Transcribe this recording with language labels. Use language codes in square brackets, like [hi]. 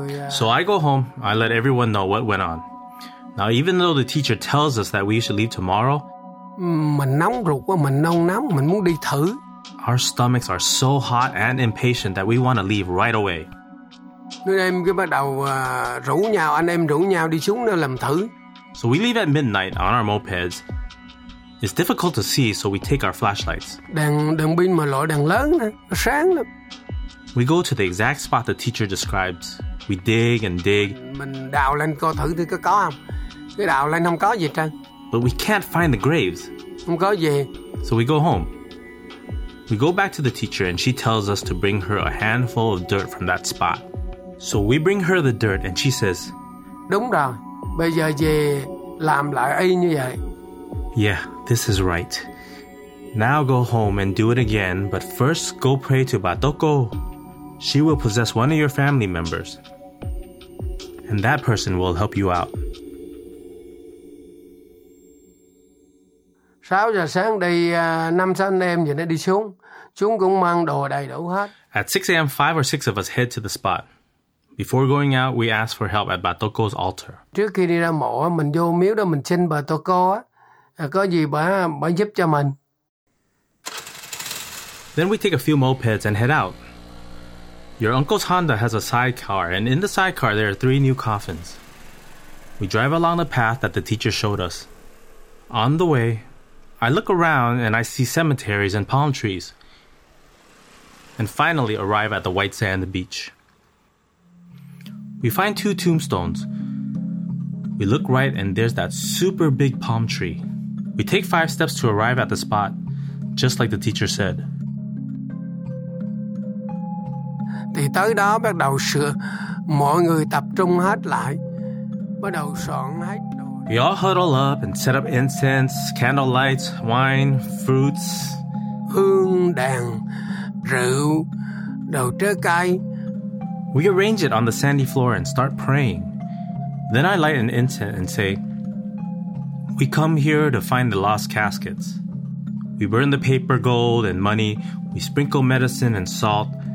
[en] So I go home. I let everyone know what went on. Now, even though the teacher tells us that we should leave tomorrow, our stomachs are so hot and impatient that we want to leave right away. [vi] Anh em rủ nhau đi xuống làm thử. [en] So we leave at midnight on our mopeds. It's difficult to see, so we take our flashlights. [vi] Đèn pin mà loại đèn lớn nè, nó sáng lắm. [en] We go to the exact spot the teacher describes. We dig and dig. [vi] Mình đào lên coi thử thì có không? Cái đào lên không có gì trơn. [en] But we can't find the graves. [vi] Không có gì. [en] So we go home. We go back to the teacher and she tells us to bring her a handful of dirt from that spot. So we bring her the dirt and she says, [vi] đúng rồi, bây giờ về làm lại y như vậy. [en] Yeah, this is right. Now go home and do it again, but first go pray to Batoko. She will possess one of your family members. And that person will help you out. [vi] 6 giờ sáng đi, 5-6 anh em rồi nó đi xuống. Chúng cũng mang đồ đầy đủ hết. [en] At 6 a.m., 5 or 6 of us head to the spot. Before going out, we ask for help at Batoko's altar. [vi] Trước khi đi ra mộ, mình vô miếu đó, mình xin Batoko á. Có gì bà giúp cho mình. [en] Then we take a few mopeds and head out. Your uncle's Honda has a sidecar, and in the sidecar there are 3 new coffins. We drive along the path that the teacher showed us. On the way, I look around and I see cemeteries and palm trees. And finally arrive at the white sand beach. We find 2 tombstones. We look right and there's that super big palm tree. We take 5 steps to arrive at the spot, just like the teacher said. [vi] Thì tới đó bắt đầu sửa, mọi người tập trung hết lại, bắt đầu soạn hết. [en] We all huddle up and set up incense, candle lights, wine, fruits. [vi] Hương đèn, rượu, đồ trái cây. [en] We arrange it on the sandy floor and start praying. Then I light an incense and say, we come here to find the lost caskets. We burn the paper gold and money. We sprinkle medicine and salt.